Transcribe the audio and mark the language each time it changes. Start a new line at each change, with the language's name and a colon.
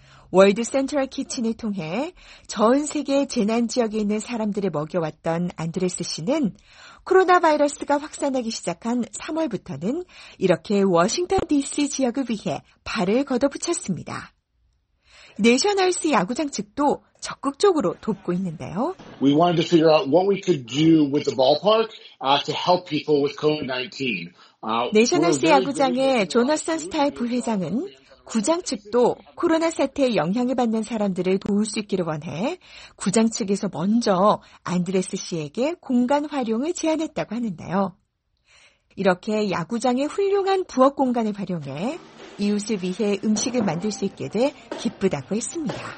Korean: 월드 센트럴 키친을 통해 전 세계 재난 지역에 있는 사람들을 먹여왔던 안드레스 씨는 코로나 바이러스가 확산하기 시작한 3월부터는 이렇게 워싱턴 DC 지역을 위해 발을 걷어붙였습니다. 내셔널스 야구장 측도 적극적으로 돕고 있는데요.
English: We wanted to figure out what we could do with the ballpark to help people with COVID-19.
Korean: 내셔널스 야구장의 조너슨 스타일 부회장은 구장 측도 코로나 사태에 영향을 받는 사람들을 도울 수 있기를 원해 구장 측에서 먼저 안드레스 씨에게 공간 활용을 제안했다고 하는데요. 이렇게 야구장의 훌륭한 부엌 공간을 활용해 이웃을 위해 음식을 만들 수 있게 돼 기쁘다고 했습니다.